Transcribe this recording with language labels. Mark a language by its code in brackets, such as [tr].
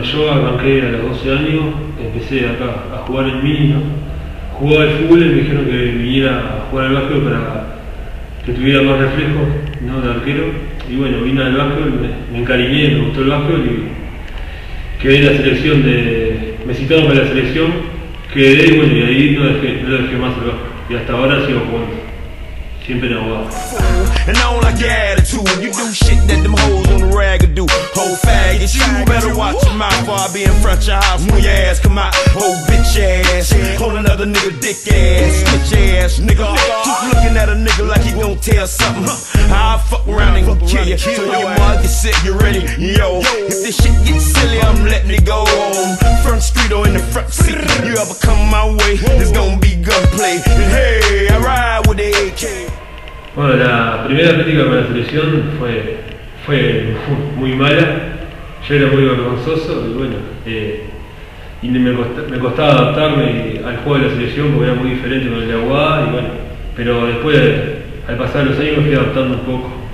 [es] arranqué a los 12 años, empecé acá a jugar en mini, jugaba el fútbol y me dijeron que viniera a jugar al básquet para que tuviera más reflejos, ¿no?, de arquero. Y bueno, vine al básquet, me encariñé, me gustó el básquet y quedé en la selección de... me citaron para la selección, quedé, bueno, y ahí no dejé más el básquet. Y hasta ahora sigo jugando. Siempre en Aguada. [en] And I don't like your attitude. You do shit that them hoes on the rag do. Whole faggots, you better watch your mouth or I'll be in front of your house when your ass come out. Whole bitch ass, hold another nigga dick ass, bitch ass nigga. Keep looking at a nigga like he gon' tell something. I'll fuck around and gon' kill you. So your mother sit, you ready? Yo, if this shit gets silly, I'm letting it go home. Front street or in the front seat. You ever come my way, it's gon' be gunplay. And hey, I ride with the AK. [es] Bueno, la primera práctica con la selección fue muy mala. Yo era muy vergonzoso y bueno, y me costaba adaptarme al juego de la selección porque era muy diferente con el de Aguada y bueno, pero después, al pasar los años, me fui adaptando un poco.